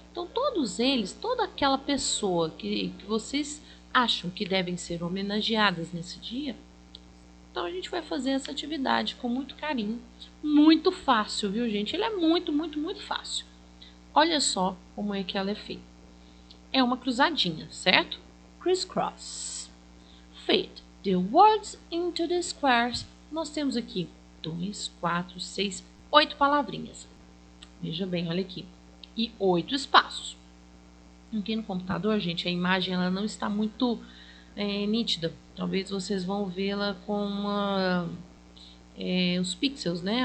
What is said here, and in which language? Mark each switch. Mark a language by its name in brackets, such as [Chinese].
[Portuguese] Então, todos eles, toda aquela pessoa que vocês acham que devem ser homenageadas nesse dia. Então a gente vai fazer essa atividade com muito carinho, muito fácil, viu, gente? Ele é muito, muito, muito fácil. Olha só como é que ela é feita. É uma cruzadinha, certo? [English] Criss-cross. Fit the words into the squares. [Portuguese] Nós temos aqui 2, 4, 6, 8 palavrinhas. Veja bem, olha aqui. E 8 espaços. Aqui no computador, gente, a imagem ela não está muito nítida. Talvez vocês vão vê-la com os pixels, né?